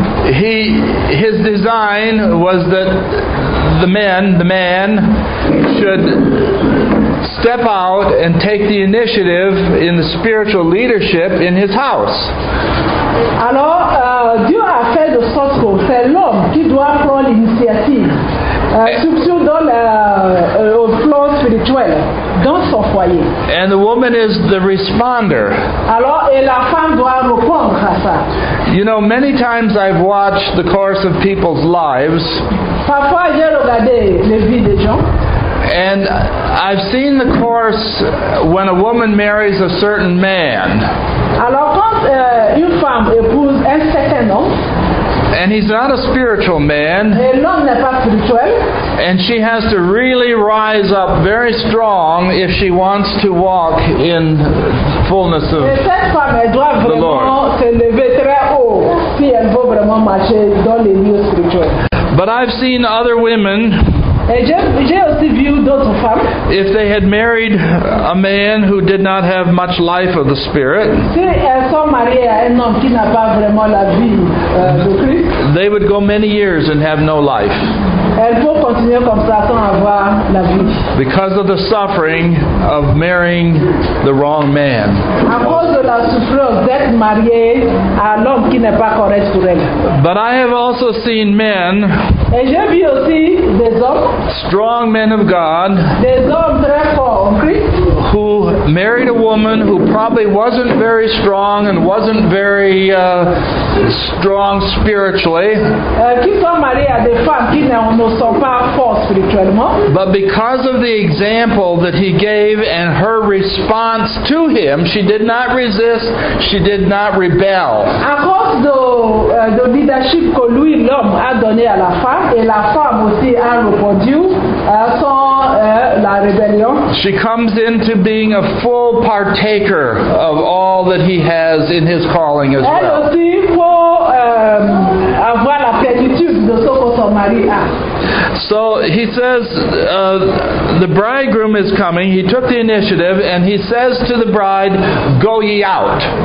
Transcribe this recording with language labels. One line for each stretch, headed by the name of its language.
English: His design was that the man, should step out and take the initiative in the spiritual leadership in his house.
French: Alors, Dieu a fait de sorte que c'est l'homme qui doit prendre l'initiative, surtout dans le plan spirituel, dans son foyer.
English: And the woman is the responder.
French: Alors, et la femme doit répondre à ça.
English: You know, many times I've watched the course of people's lives.
French: Parfois, j'ai regardé les vies des gens.
English: And I've seen the course when a woman marries a certain man.
French: Alors, quand une femme épouse un certain homme,
English: and he's not a spiritual man,
French: et l'homme n'est pas spirituel,
English: and she has to really rise up very strong if she wants to walk in fullness of
French: et cette femme, elle doit vraiment
English: the Lord.
French: Se lever très haut si elle veut vraiment marcher dans les lieux spirituels.
English: But I've seen other women.
French: J'ai aussi vu d'autres femmes.
English: If they had married a man who did not have much life of the Spirit,
French: si elles sont mariées à un homme qui n'a pas vraiment la vie de Christ,
English: they would go many years and have no life.
French: Elles vont continuer comme ça sans avoir la vie.
English: Because of the suffering of marrying the wrong man.
French: À cause de la souffrance d'être mariée à l'homme qui n'est pas correct pour elle.
English: But I have also seen men.
French: Et j'ai vu aussi des hommes.
English: Strong men of God.
French: Des hommes très forts en Christ.
English: Who married a woman who probably wasn't very strong and wasn't very strong spiritually.
French: Qui sont mariés à des femmes qui ne sont pas fortes spirituellement.
English: But because of the example that he gave and her response to him, she did not resist, she did not rebel.
French: À cause de leadership que lui, l'homme, a donné à la femme, et la femme aussi a répondu sans la rébellion.
English: She comes into being a full partaker of all that he has in his calling as well.
French: Elle aussi faut avoir la plénitude de ce que son mari a.
English: So he says the bridegroom is coming. He took the initiative and he says to the bride, go ye out.